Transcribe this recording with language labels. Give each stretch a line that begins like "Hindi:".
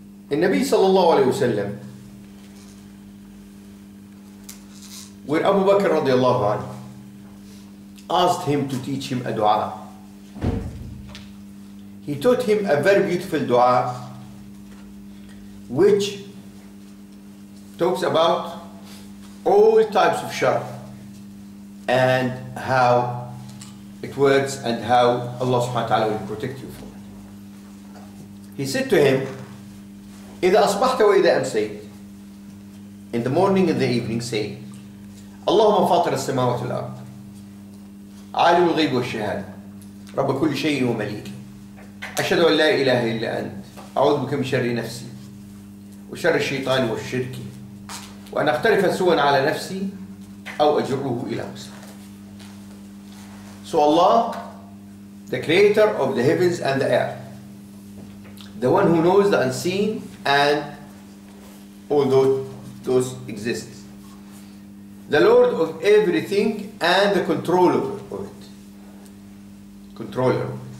English: In Nabi sallallahu alayhi wa sallam, when Abu Bakr radiallahu anhu asked him to teach him a dua, he taught him a very beautiful dua, which talks about all types of shar and how it works and how Allah subhanahu wa ta'ala will protect you from it. He said to him,
Arabic: إذا أصبحت وإذا أمسيت,
English: in the morning and the evening, say,
Arabic: اللهم فاطر السماوات والأرض عالم الغيب والشهادة رب كل شيء ومليك أشهد أن لا إله إلا أنت أعوذ بك من شر نفسي وشر الشيطان والشرك وأن أقترف سوءا على نفسي أو أجره إلى وسع.
English: So Allah, the creator of the heavens and the earth, the one who knows the unseen and all those exist, the Lord of everything and the controller of it, controller.